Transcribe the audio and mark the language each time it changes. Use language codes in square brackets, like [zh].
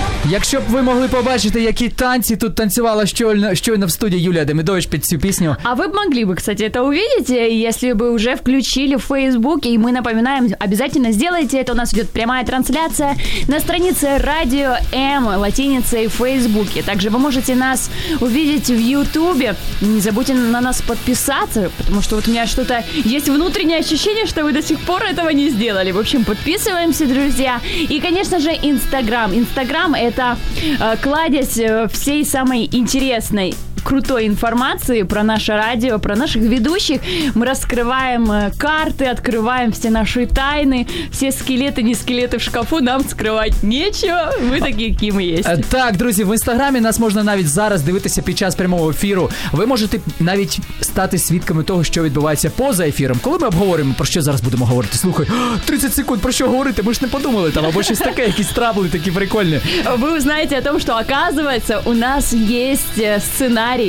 [uk] Якщо б ви могли побачити, які танці тут танцювала щойно в студії Юлія Демидович під цю пісню. А ви б могли б, кстати, це увидіти, якщо б вже включили в Facebook, і ми напоминаємо, обов'язково зробіть це, у нас йде пряма трансляція на страниці Радіо М, латиниці і Facebook. Також ви можете нас увидіти в YouTube. Не забудьте на нас підписатися, тому що от у мене щось є внутрішнє відчуття, що ви до сих пор цього не зробили. В общем, підписуємося, друзі. І, звісно ж, Instagram. Instagram – це [ru] это кладезь всей самой интересной, крутой информации про наше радио, про наших ведущих. Мы раскрываем карты, открываем все наши тайны, все скелеты, не скелеты в шкафу, нам скрывать нечего. Мы такие, какие мы есть. [uk] Так, друзі, в Інстаграмі нас можна навіть зараз дивитися під час прямого ефіру. Ви можете навіть стати свідками того, що відбувається поза ефіром. Коли ми обговоримо, про що зараз будемо говорити? Слухай, 30 секунд, про що говорити? Ми ж не подумали там, або щось таке, якісь трабли такі прикольні. Ви узнаєте о тому, що, оказывается, у нас є сценарій.